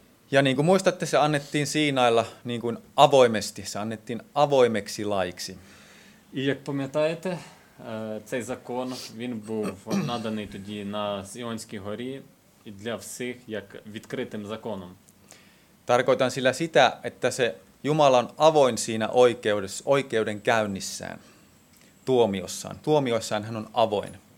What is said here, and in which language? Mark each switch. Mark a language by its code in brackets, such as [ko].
[fi] Ja niin kuin muistatte, se annettiin Siinailla niin kuin avoimesti, se annettiin avoimeksi laiksi. [uk] І як пам'ятаєте, цей закон, він був наданий тоді на Сіонській горі і для всіх як відкритим законом. [fi] Tarkoitan sillä sitä, että se Jumala on avoin siinä oikeudessa, oikeuden käynnissään, tuomiossaan. Tuomioissaan hän on avoin.